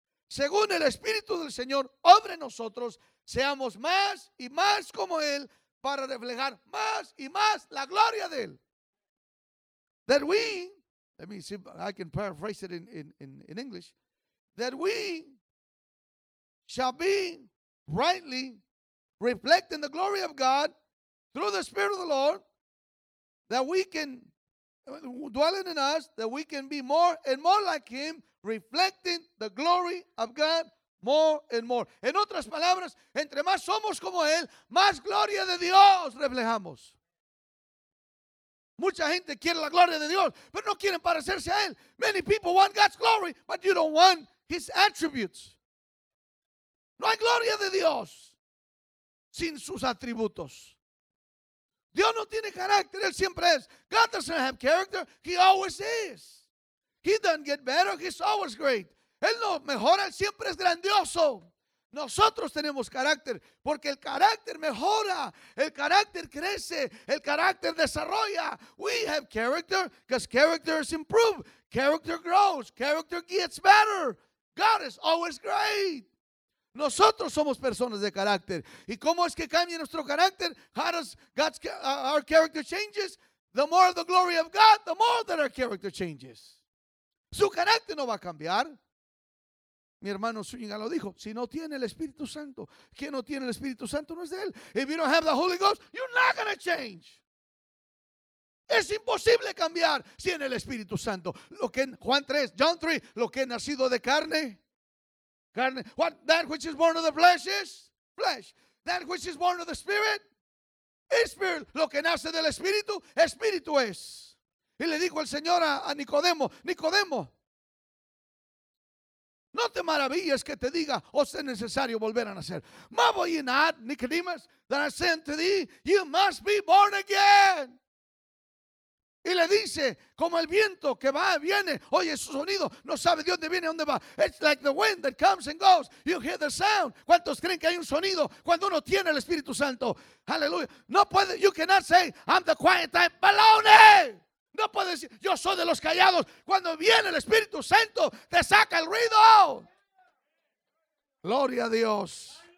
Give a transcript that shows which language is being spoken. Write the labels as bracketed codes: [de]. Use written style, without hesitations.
[es] Según el Espíritu del Señor, obre nosotros, seamos más y más como Él para reflejar más y más la gloria de Él. [en] That we, let me see if I can paraphrase it in English, that we shall be brightly reflecting the glory of God through the Spirit of the Lord, that we can, dwelling in us, that we can be more and more like Him, reflecting the glory of God more and more. [es] En otras palabras, entre más somos como Él, más gloria de Dios reflejamos. Mucha gente quiere la gloria de Dios, pero no quieren parecerse a Él. [en] Many people want God's glory, but you don't want His attributes. [es] No hay gloria de Dios sin sus atributos. Dios no tiene carácter, Él siempre es. [en] God doesn't have character, He always is. He doesn't get better, He's always great. [es] Él no mejora, Él siempre es grandioso. Nosotros tenemos carácter, porque el carácter mejora, el carácter crece, el carácter desarrolla. [en] We have character, because character is improved. Character grows, character gets better. God is always great. [es] Nosotros somos personas de carácter. ¿Y cómo es que cambia nuestro carácter? [en] How does God's our character changes? The more of the glory of God, the more that our character changes. [es] Su carácter no va a cambiar. Mi hermano Zúñiga lo dijo. Si no tiene el Espíritu Santo, quien no tiene el Espíritu Santo no es de él. [en] If you don't have the Holy Ghost, you're not going to change. [es] Es imposible cambiar sin el Espíritu Santo. John 3, lo que es nacido de carne. Carne. [en] What, that which is born of the flesh is flesh. That which is born of the Spirit is Spirit. [es] Lo que nace del Espíritu, Espíritu es. Y le dijo el Señor a Nicodemo, Nicodemo, no te maravilles que te diga, o sea necesario volver a nacer. [en] Marvel ye not, Nicodemus, that I say unto thee, you must be born again. [es] Y le dice, como el viento que va, viene, oye su sonido, no sabe de dónde viene, dónde va. [en] It's like the wind that comes and goes, you hear the sound. [es] ¿Cuántos creen que hay un sonido cuando uno tiene el Espíritu Santo? [en] Hallelujah. [es] No puede, [en] you cannot say, I'm the quiet type, baloney. [es] No puedes decir, yo soy de los callados. Cuando viene el Espíritu Santo, te saca el ruido. Gloria a Dios.